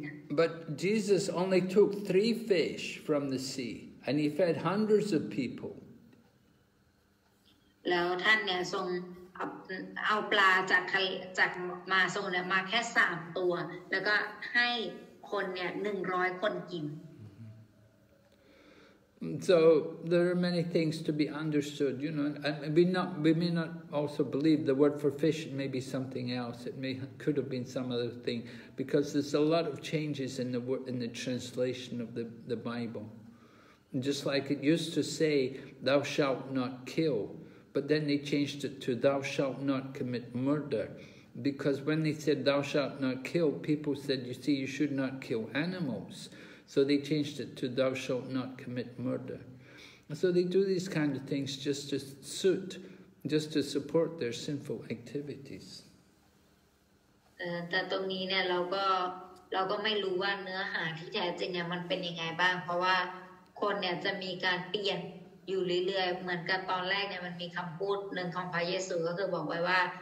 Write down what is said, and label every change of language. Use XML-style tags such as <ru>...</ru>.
<en>But Jesus only took three fish from the sea, and he fed hundreds of people.</en> <th>แล้วท่านเนี่ยทรงเอาปลาจากมาทรงเนี่ยมาแค่สามตัวแล้วก็ให้คนเนี่ย100คนกิน</th> <en>So there are many things to be understood, you know. And we may not also believe the word for fish may be something else. It may could have been some other thing, because there's a lot of changes in the word, in the translation of the Bible. And just like it used to say, "Thou shalt not kill," but then they changed it to "Thou shalt not commit murder." Because when they said thou shalt not kill, people said, you see, you should not kill animals. So they changed it to thou shalt not commit murder. So they do these kind of things just to suit, just to support their sinful activities.</en> <th>แต่ตรงนี้เนี่ยเราก็ไม่รู้ว่าเนื้อหาที่แท้จริงเนี่ยมันเป็นยังไงบ้างเพราะว่าคนเนี่ยจะมีการเปลี่ยนอยู่เรื่อยๆเหมือนกับตอนแรกเนี่ยมันมีคำพูดหนึ่งของพระเยซูก็คือบอกไว้ว่า</th>